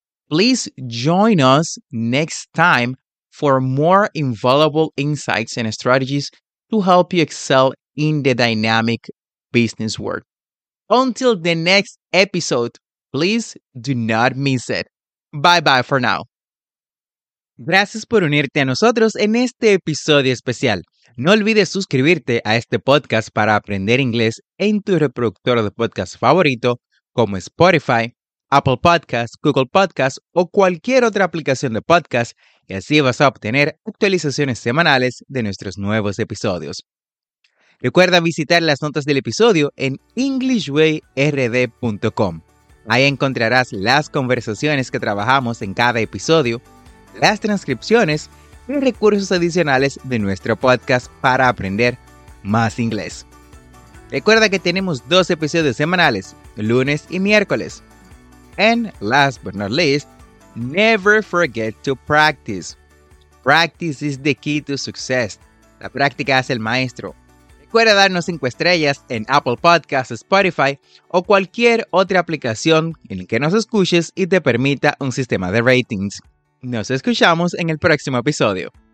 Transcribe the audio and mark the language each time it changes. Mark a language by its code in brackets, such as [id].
[en] Please join us next time for more invaluable insights and strategies to help you excel in the dynamic business world. Until the next episode, please do not miss it. Bye-bye for now. [es] Gracias por unirte a nosotros en este episodio especial. No olvides suscribirte a este podcast para aprender inglés en tu reproductor de podcast favorito como Spotify, Apple Podcasts, Google Podcasts o cualquier otra aplicación de podcast, y así vas a obtener actualizaciones semanales de nuestros nuevos episodios. Recuerda visitar las notas del episodio en EnglishWayRD.com. Ahí encontrarás las conversaciones que trabajamos en cada episodio, las transcripciones y recursos adicionales de nuestro podcast para aprender más inglés. Recuerda que tenemos dos episodios semanales, lunes y miércoles. [en] And last but not least, never forget to practice. Practice is the key to success. [es] La práctica hace el maestro. Recuerda darnos 5 estrellas en Apple Podcasts, Spotify o cualquier otra aplicación en la que nos escuches y te permita un sistema de ratings. Nos escuchamos en el próximo episodio.